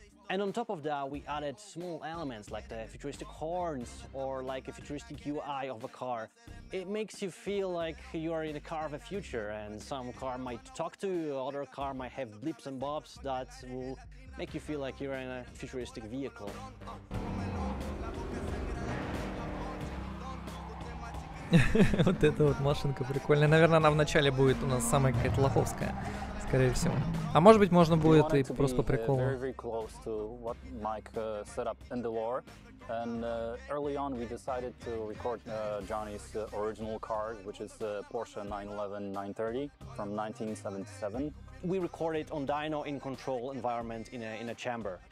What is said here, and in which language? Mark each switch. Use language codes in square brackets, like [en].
[en] And on top of that, we added small elements like the futuristic horns or like a futuristic UI of a car. It makes you feel like you are in a car of the future, and some car might talk to you, other car might have blips and bobs that will make you feel like you're in a futuristic vehicle. [ru] Вот эта вот машинка прикольная. Наверное, она вначале будет у нас самая какая-то лоховская, скорее всего. А может быть, можно будет и просто по приколу. [en] Very, very close to what Mike set up in the lore. And early on, we decided to record Johnny's original car, which is Porsche 911 930 from 1977. We recorded on dyno in control environment in a chamber.